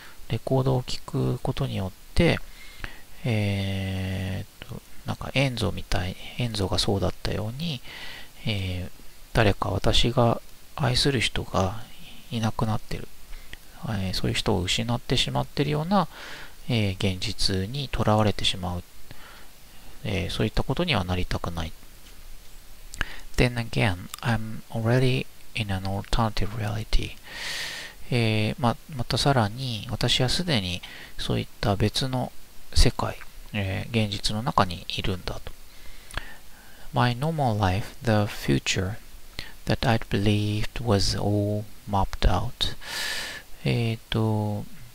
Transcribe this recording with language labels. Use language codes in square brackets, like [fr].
[ja] レコードを聴くことによって、エンゾがそうだったように、誰か私が愛する人がいなくなってる。そういう人を失ってしまってるような、現実にとらわれてしまう。そういったことにはなりたくない。 [en] Then again, I'm already in an alternative reality. [ja] またさらに、私はすでにそういった別の世界、現実の中にいるんだと。 [en] My normal life, the future that I'd believed was all mapped out.